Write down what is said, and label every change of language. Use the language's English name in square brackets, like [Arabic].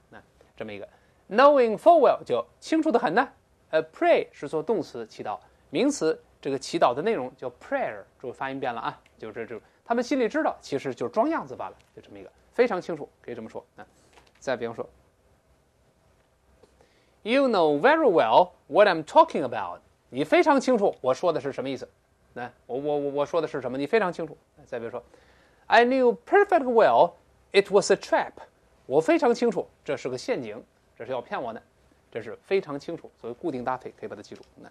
[Chinese] 那这么一个 [English] knowing full well [Chinese] 就清楚的很呢。 pray 是做动词祈祷，名词这个祈祷的内容叫 prayer， 注意发音变了啊，就是这他们心里知道，其实就是装样子罢了，就这么一个，非常清楚，可以这么说。再比方说。 [English] You know very well what I'm talking about. [Chinese] 你非常清楚我说的是什么意思。我说的是什么，你非常清楚。再比如说 [English] I knew perfectly well it was a trap. [Chinese] 我非常清楚这是个陷阱，这是要骗我的。这是非常清楚，所以固定搭配可以把它记住。